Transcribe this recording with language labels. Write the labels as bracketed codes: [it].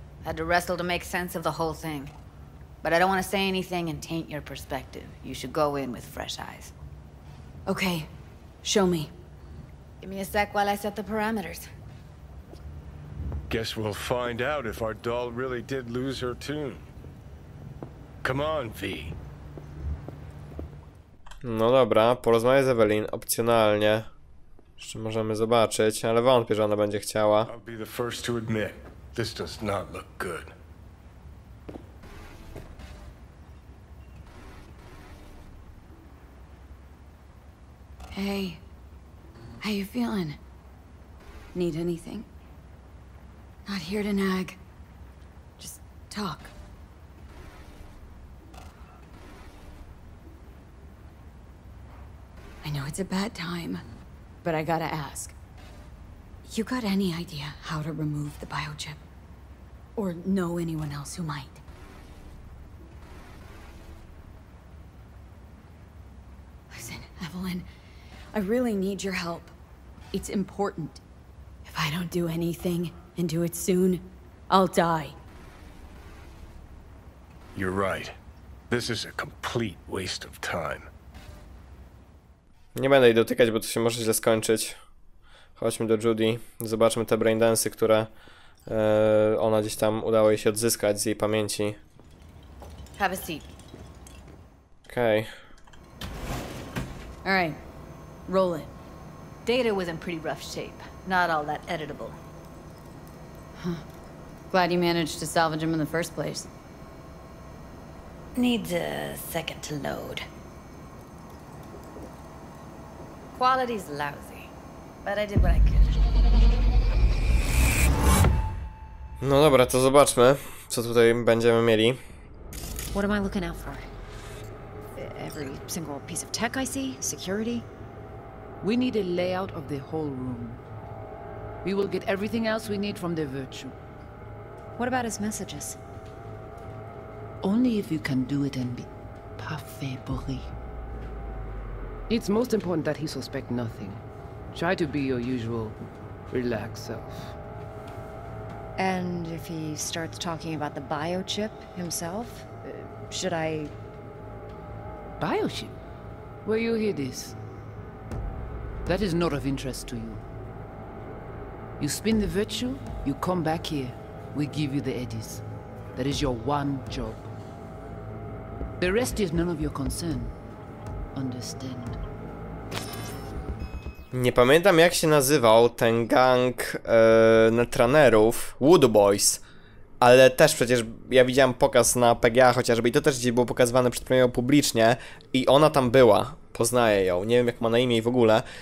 [en] Had to wrestle to make sense of the whole thing. But I don't want to say anything and taint your perspective. You should go in with fresh eyes. Okay. Show me. Give me a sec while I set the parameters. Guess we'll find out if our doll really did lose her tune. Come on, V. [pl] No dobra, porozmawiaj z Evelyn opcjonalnie. Jeszcze możemy zobaczyć, ale wątpię, że ona będzie chciała. [en] I'll be the first to admit, this does not look good. Hey. How you feeling? Need anything? Not here to nag. Just talk. I know it's a bad time, but I gotta ask. You got any idea how to remove the biochip? Or know anyone else who might? Listen, Evelyn, I really need your help. It's important. If I don't do anything, and do it soon, I'll die. You're right. This is a complete waste of time. [pl] Nie będę jej dotykać, bo to się może źle skończyć. Chodźmy do Judy. Zobaczmy te braindance'y, które ona gdzieś tam udało jej się odzyskać z jej pamięci. [en] Have a seat. [pl] Okej. [en] All right. Roll it. Data was in pretty rough shape. Not all that editable. Glad you managed to salvage him in the first place. Needs a second to load. Quality's lousy, but I did what I could. [pl] No dobra, to zobaczmy, co tutaj będziemy mieli. [en] What am I looking out for? Every single piece of tech I see? Security? We need a layout of the whole room. We will get everything else we need from the virtue. What about his messages? Only if you can do it and be parfait, Bori. It's most important that he suspect nothing. Try to be your usual relaxed self. And if he starts talking about the biochip himself, should I... Biochip? Where you hear this? That is not of interest to you. You spin the virtue, you come back here, we give you the eddies. That is your one job. The rest is none of your concern. Understand? [pl] Nie pamiętam, jak się nazywał ten gang netrunnerów, Wood Boys, ale też przecież ja widziałem pokaz na PGA chociażby i to też gdzieś było pokazywane przed premierą publicznie i ona tam była, poznaję ją, nie wiem jak ma na imię i w ogóle.